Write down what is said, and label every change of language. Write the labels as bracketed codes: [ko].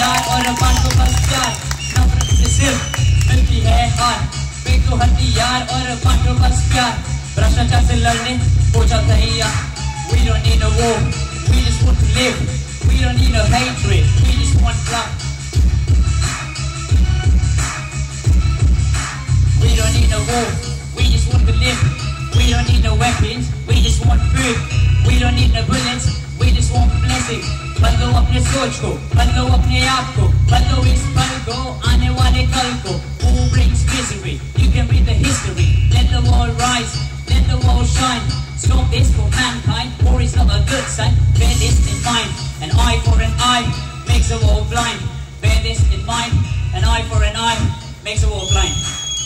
[hi] और अपन को बस प्यार, नफरत से सिर्फ मिलती है हार। तो हथियार और पांचों बस प्यार, भ्रष्टाचार से लड़ने पोचा तैयार। [en] We don't need a war, we just want to live, we don't need a hatred, we just want love. We don't need a war, we just want to live, we don't need no weapons, we just want food. We don't need no bullets, we just want blessing. [hi] बदलो अपने सोच को, बदलो अपने आप को, बदलो इस पल को, आने वाले कल को। [en] Who brings misery? You can read the history. Let the world rise, let the world shine. Stop this for mankind, war is not a good sign. Bear this in mind, an eye for an eye makes the world blind. Bear this in mind, an eye for an eye makes the world blind.